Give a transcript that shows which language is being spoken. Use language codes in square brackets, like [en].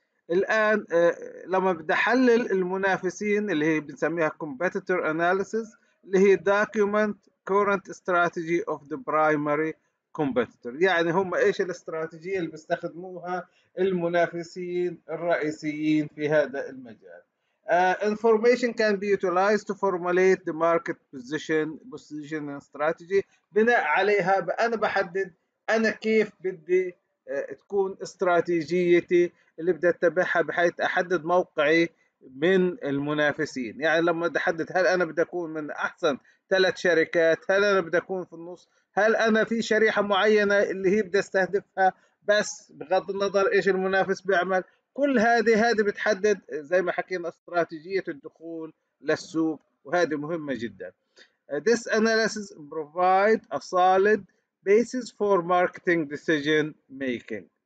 [ar] الآن لما بدي أحلل المنافسين اللي هي بنسميها competitor analysis، اللي هي [en] document current strategy of the primary competitor، [ar] يعني هم إيش الاستراتيجية اللي بيستخدموها المنافسين الرئيسيين في هذا المجال. [en] Information can be utilized to formulate the market position and strategy. [ar] بناء عليها أنا بحدد أنا كيف بدي تكون استراتيجيتي اللي بدي أتبعها بحيث أحدد موقعي من المنافسين. يعني لما بدي أحدد هل أنا بدي أكون من أحسن 3 شركات، هل أنا بدي أكون في النص، هل أنا في شريحة معينة اللي هي بدي أستهدفها بس بغض النظر إيش المنافس بيعمل. كل هذه بتحدد زي ما حكينا استراتيجية الدخول للسوق، وهذه مهمة جدا. [en] This analysis provide a solid basis for marketing decision making.